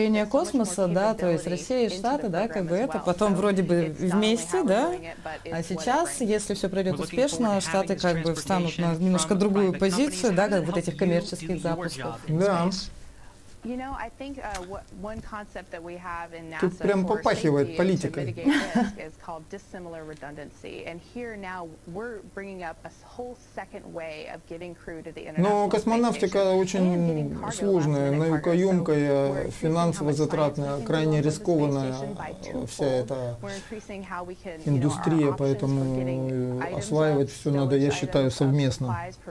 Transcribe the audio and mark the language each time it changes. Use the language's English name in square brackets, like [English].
[Russian] Космоса, да, то есть Россия и Штаты, да, как бы это, потом вроде бы вместе, да, а сейчас, если все пройдет успешно, Штаты как бы встанут на немножко другую позицию, да, как вот этих коммерческих запусков. Да. [English] You know, I think one concept that we have in NASA [Russian] тут прям попахивает политикой. [English] Is called dissimilar redundancy. And here now we're bringing up a whole second way of getting crew to the international. [Russian] Но космонавтика очень сложная, наукоемкая, финансово затратная, крайне рискованная вся эта индустрия, поэтому осваивать все надо, я считаю, совместно.